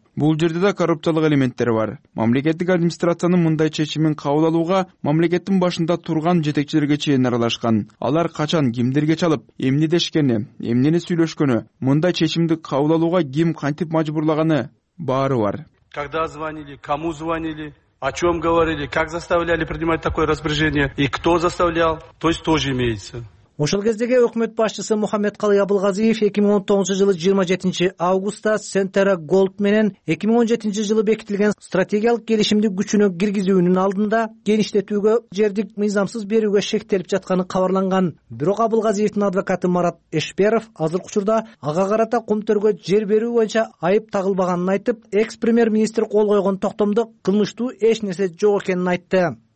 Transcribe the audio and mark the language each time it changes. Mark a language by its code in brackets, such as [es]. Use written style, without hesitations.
[ky] Бул жерде да коррупциялык элементтер бар. Мамлекеттик администрациянын мындай чечимин кабыл алууга мамлекеттин башында турган жетекчилерге чейин аралашкан. Алар качан кимдерге чалып, эмне дешкени, эмнени сүйлөшкөнү, мындай чечимди кабыл алууга ким кантип мажбурлаганы баары бар. [ru] Когда звонили, кому звонили, о чем говорили, как заставляли принимать такое распоряжение и кто заставлял, то есть тоже имеется. [ky] Ошол кездеги өкмөт башчысы Мухаммедкалый Абылгазиев 2019 жылы 27 августта Сентера Голд менен 2017 жылы бекитилген стратегиялык келишимди күчүнө киргизүүнүн алдында кеңиштетүүгө жерди мыйзамсыз берүүгө шектелип жатканы кабарланган. Бирок Абылгазиевдин адвокаты Марат Эшперов азыркы учурда ага карата Кумтөргө жер берүү боюнча айып тагылбаганын айтып, экс-премьер-министр кол койгон токтомдо кылмыштуу эч нерсе жок экенин айтты.